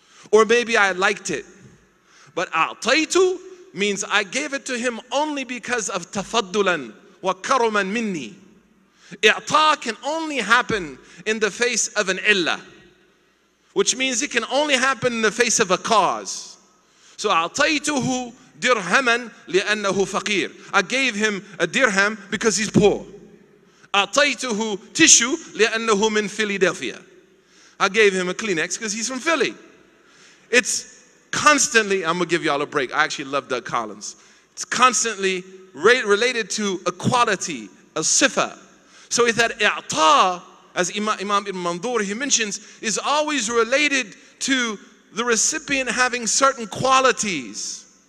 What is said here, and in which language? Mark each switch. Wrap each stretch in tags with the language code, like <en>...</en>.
<en>Or maybe I liked it. But a'taytu means I gave it to him only because of tafaddulan wa karuman minni. I'ta can only happen in the face of an illah, which means it can only happen in the face of a cause. So a'taytuhu dirhaman li'annahu faqir. I gave him a dirham because he's poor.</en> <ar>أعطيته تيشو لأنه من فيلادلفيا.</ar> <en>I gave him a Kleenex because he's from Philly. It's constantly, I'm going to give y'all a break. I actually love Doug Collins. It's constantly related to equality, a sifa. So it's that i'ta, as Imam Ibn Mandur, he mentions, is always related to the recipient having certain qualities.</en>